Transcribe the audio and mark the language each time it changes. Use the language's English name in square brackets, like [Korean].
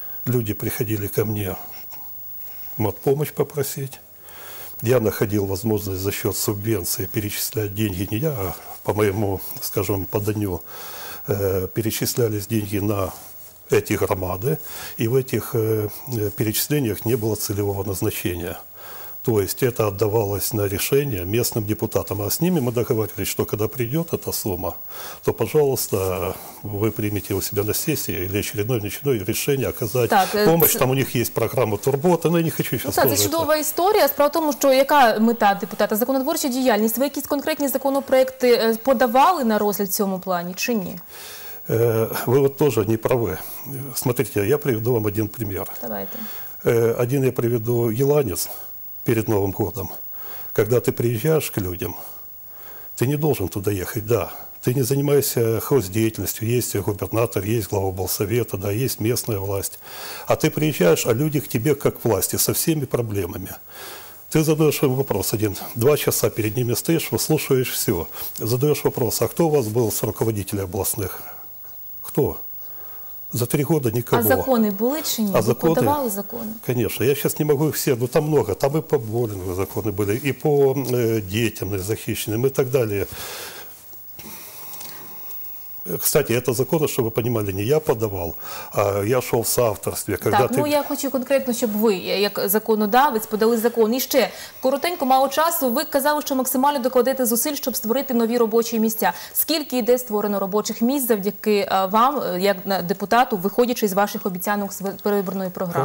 [Russian] Люди приходили ко мне помощь попросить. Я находил возможность за счет субвенции перечислять деньги, не я, а по моему, скажем, поданию, перечислялись деньги на эти громады, и в этих перечислениях не было целевого назначения. То есть это отдавалось на решение местным депутатам. А с ними мы договаривались, что когда придет эта сумма, то, пожалуйста, вы примите у себя на сессии или очередное решение оказать так, помощь. Там у них есть программа турбота, но я не хочу сейчас сказать. [Ukrainian] Ну, це чудова історія. Справа в тому, що яка мета депутата? Законотворча діяльність. Ви якісь конкретні законопроекти подавали на розгляд в цьому плані чи ні? Ви от теж не праві. [Russian] Смотрите, я приведу вам один пример. Давайте. Один я приведу Еланец. Перед Новым годом, когда ты приезжаешь к людям, ты не должен туда ехать, да. Ты не занимаешься хоздеятельностью, есть губернатор, есть глава облсовета, да, есть местная власть. А ты приезжаешь, а люди к тебе как к власти, со всеми проблемами. Ты задаешь им вопрос один, два часа перед ними стоишь, выслушиваешь все. Задаешь вопрос, а кто у вас был с руководителя областных? Кто? За три года никого. А законы были [Ukrainian] чи ні? А закони? Подавали закони? [Russian] Конечно, я сейчас не могу их все, но там много. Там и по боулингу [Ukrainian] закони [Russian] были, и по детям [Ukrainian] незахищеним, [Russian] и так далее. Кстати, это [Ukrainian] закони, щоб ви [Russian] понимали, не я подавал, а я шел в [Ukrainian] соавторстві. Так, ну я хочу конкретно, щоб ви, як законодавець, подали закон. І ще, коротенько, мало часу, ви казали, що максимально докладете зусиль, щоб створити нові робочі місця. Скільки іде створено робочих місць завдяки вам, як депутату, виходячи з ваших обіцянок з перевиборної програми?